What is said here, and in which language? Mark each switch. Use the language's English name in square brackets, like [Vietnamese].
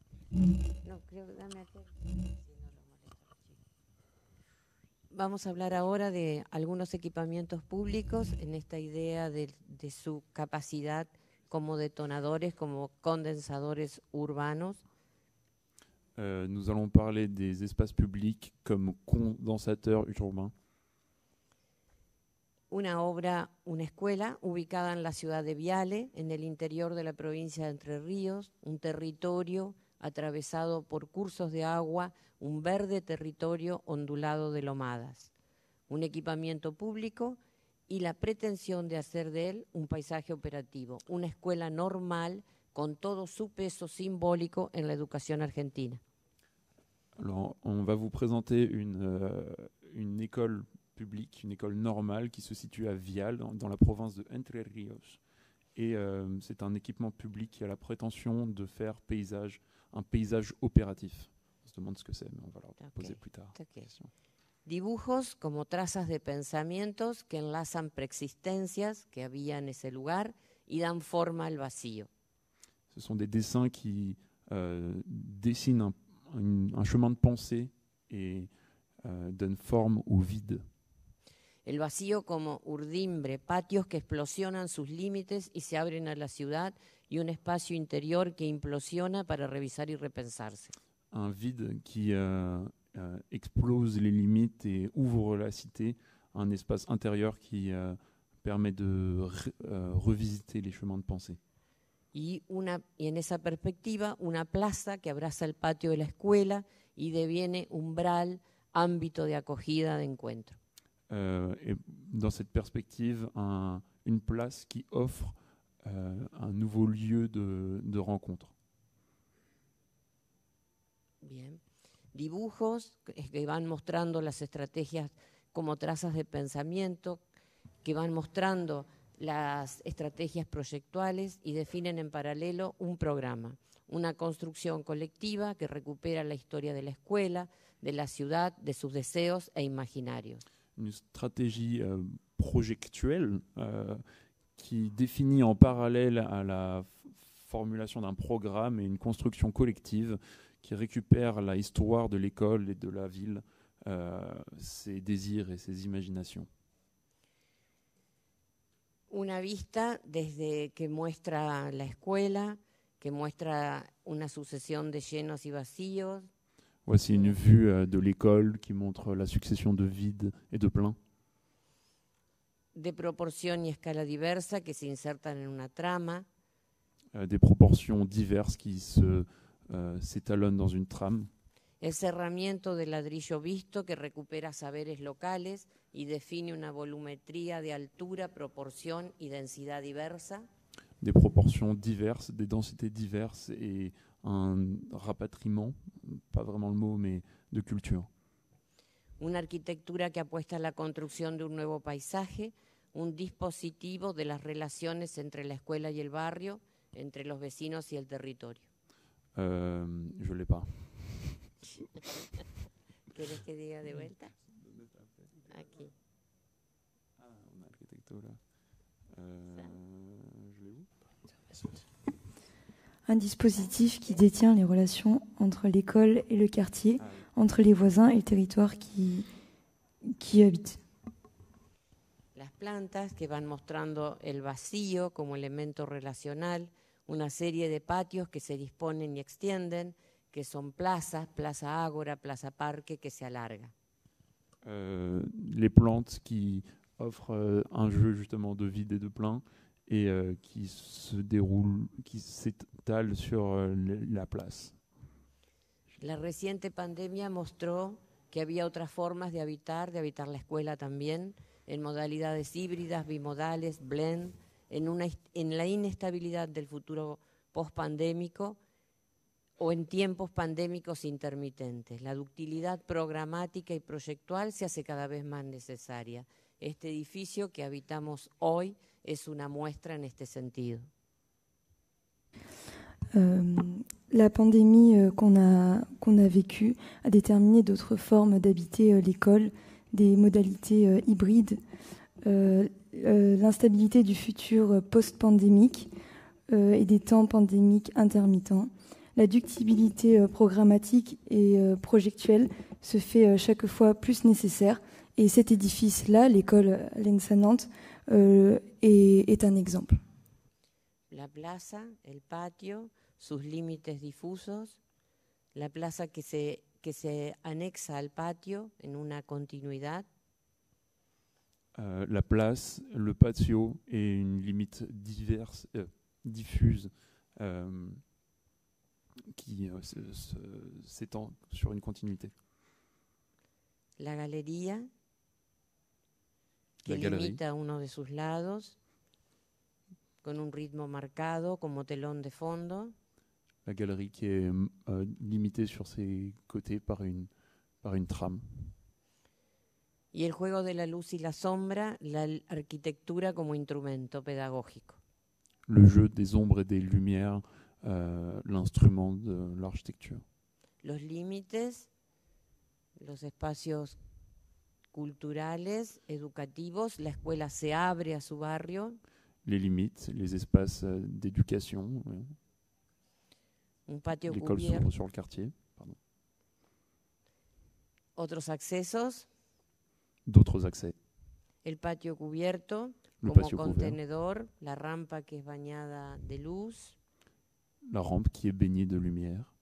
[Spanish] No, creo que dame aquel. Vamos a hablar ahora de algunos equipamientos públicos en esta idea de su capacidad como detonadores, como condensadores urbanos. [French] Nous allons parler des espaces publics comme condensateurs urbains. [Spanish] Una obra, una escuela ubicada en la ciudad de Viale, en el interior de la provincia de Entre Ríos, un territorio atravesado por cursos de agua, un verde territorio ondulado de lomadas. Un equipamiento público y la pretensión de hacer de él un paisaje operativo, una escuela normal con todo su peso simbólico en la educación argentina. [French] Alors, on va vous présenter une école public, une école normale qui se situe à Viale, dans la province de Entre Ríos. Et c'est un équipement public qui a la prétention de faire paysage, un paysage opératif. On se demande ce que c'est, mais on va leur poser plus tard. Okay. [Spanish] Dibujos como trazas de pensamientos que enlazan preexistencias que había en ese lugar y dan forma al vacío. [French] Ce sont des dessins qui dessinent un chemin de pensée et donnent forme au vide. [Spanish] El vacío como urdimbre, patios que explosionan sus límites y se abren a la ciudad y un espacio interior que implosiona para revisar y repensarse. [French] Un vide qui explose les limites et ouvre la cité, un espace intérieur qui permet de revisiter les chemins de pensée. [Spanish] Y en esa perspectiva, una plaza que abraza el patio de la escuela y deviene umbral, ámbito de acogida, de encuentro. [French] Et dans cette perspective, une place qui offre un nouveau lieu de rencontre. [Spanish] Bien. Dibujos que van mostrando las estrategias como trazas de pensamiento, que van mostrando las estrategias proyectuales y definen en paralelo un programa, una construcción colectiva que recupera la historia de la escuela, de la ciudad, de sus deseos e imaginarios. [French] Une stratégie projectuelle qui définit en parallèle à la formulation d'un programme et une construction collective qui récupère la histoire de l'école et de la ville, ses désirs et ses imaginations. [Spanish] Una vista desde que muestra la escuela, que muestra una sucesión de llenos y vacíos. [French] Voici une vue de l'école qui montre la succession de vides et de pleins. [Spanish] De proporción y escala diversa que se insertan en una trama. [French] Des proportions diverses qui s'étalonnent dans une trame. [Spanish] El cerramiento de ladrillo visto que recupera saberes locales y define una volumetría de altura, proporción y densidad diversa. [French] Des proportions diverses, des densités diverses et un rapatriement, pas vraiment le mot, mais de culture. [Spanish] Una arquitectura que apuesta a la construcción de un nuevo paisaje, un dispositivo de las relaciones entre la escuela y el barrio, entre los vecinos y el territorio. [French] Je l'ai pas. [Spanish] ¿Quieres que diga de vuelta? Aquí. Ah, una arquitectura. [French] Je l'ai où? Un dispositif qui détient les relations entre l'école et le quartier, entre les voisins et le territoire qui habitent. [Spanish] Las plantas que van mostrando el vacío como elemento relacional, una serie de patios que se disponen y extienden, que son plazas, plaza ágora, plaza parque, que se alarga. [French] Les plantes qui offrent un jeu justement de vide et de plein. Et qui se déroule, qui s'étale sur la place. [Spanish] La reciente pandemia mostró que había otras formas de habitar la escuela también, en modalidades híbridas, bimodales, blend, en la inestabilidad del futuro post-pandémico o en tiempos pandémicos intermitentes. La ductilidad programática y proyectual se hace cada vez más necesaria. Este edificio que habitamos hoy es una muestra en este sentido. [French] La pandémie qu'on a vécue a déterminé d'autres formes d'habiter l'école, des modalités hybrides. L'instabilité du futur post-pandémique et des temps pandémiques intermittents. La ductilité programmatique et projectuelle se fait chaque fois plus nécessaire. Et cet édifice-là, l'école Lensa Nantes, est un exemple. [Spanish] La plaza, el patio, sus límites difusos, la plaza que se anexa al patio en una continuidad. [French] La place, le patio et une limite diverse, diffuse qui s'étend sur une continuité. [Spanish] La galería. Que limita uno de sus lados con un ritmo marcado como telón de fondo. [French] La galerie qui est limitée sur ses côtés par une trame. [Spanish] Y el juego de la luz y la sombra, la arquitectura como instrumento pedagógico. [French] Le jeu des ombres et des lumières, l'instrument de l'architecture. [Spanish] Los límites, los espacios culturales, educativos, la escuela se abre a su barrio. [French] Les limites, les espaces d'éducation. [Spanish] Un patio [French] l'école [Spanish] cubierto. [French] S'ouvre sur le quartier. Pardon. [Spanish] Otros accesos. [French] D'autres accès. [Spanish] El patio cubierto [French] le [Spanish] como patio contenedor, [French] couvert. [Spanish] La rampa que es bañada de luz. [French] La rampe qui est baignée de lumière.